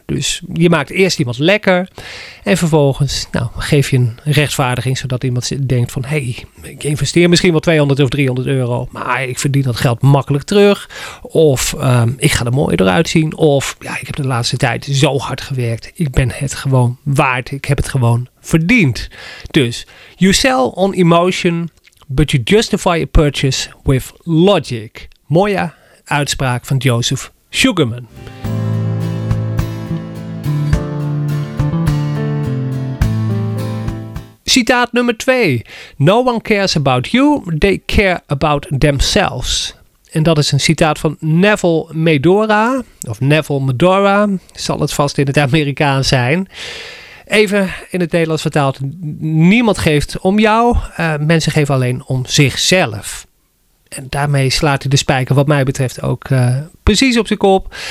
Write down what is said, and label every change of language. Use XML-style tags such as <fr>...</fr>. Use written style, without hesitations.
<nl>Dus je maakt eerst iemand lekker en vervolgens geef je een rechtvaardiging, zodat iemand denkt van: hey, ik investeer misschien wel 200 of 300 euro, maar ik verdien dat geld makkelijk terug. Of ik ga er mooier eruit zien. Of ik heb de laatste tijd zo hard gewerkt. Ik ben het gewoon waard. Ik heb het gewoon verdiend.</nl> <en>Dus you sell on emotion, but you justify a purchase with logic.</en> <nl>Mooie uitspraak van Joseph Sugarman. Citaat Citaat nummer 2.</nl> <en>No one cares about you, they care about themselves.</en> <nl>En dat is een citaat van Neville Medora. Of Neville Medora, zal het vast in het Amerikaans zijn. Even in het Nederlands vertaald. Niemand geeft om jou, mensen geven alleen om zichzelf. En daarmee slaat hij de spijker wat mij betreft ook precies op zijn kop.</nl>